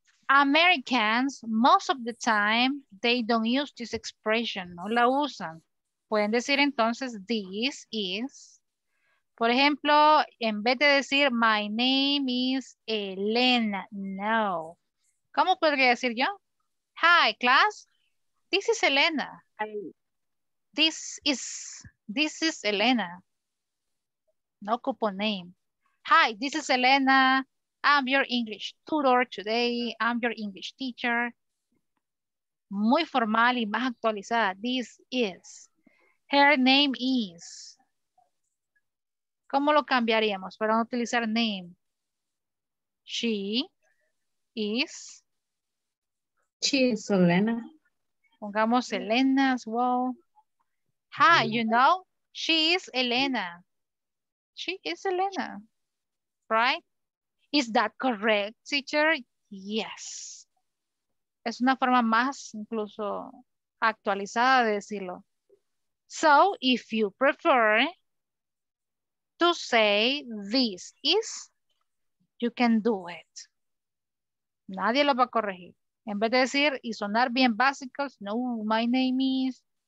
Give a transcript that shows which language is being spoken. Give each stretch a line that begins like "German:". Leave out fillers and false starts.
English: Americans, most of the time, they don't use this expression,
Spanish: no la usan. Pueden decir entonces,
English: this is.
Spanish: Por ejemplo, en vez de decir,
English: my name is Elena,
Spanish: no. ¿Cómo podría decir yo?
English: Hi, class, this is Elena. This is Elena.
Spanish: No ocupo
English: name. Hi, this is Elena. I'm your English tutor today. I'm your English teacher.
Spanish: Muy formal y más actualizada.
English: This is. Her name is.
Spanish: ¿Cómo lo cambiaríamos para no utilizar name?
English: She is. She is Elena.
Spanish: Pongamos
English: Elena as well. Hi, you know, she is Elena. She is Elena. Right? Is that correct, teacher? Yes.
Spanish: Es una forma más incluso actualizada de decirlo.
English: So, if you prefer to say this is, you can do it.
Spanish: Nadie lo va a corregir. En vez de decir y sonar bien básicos, no,
English: my name is.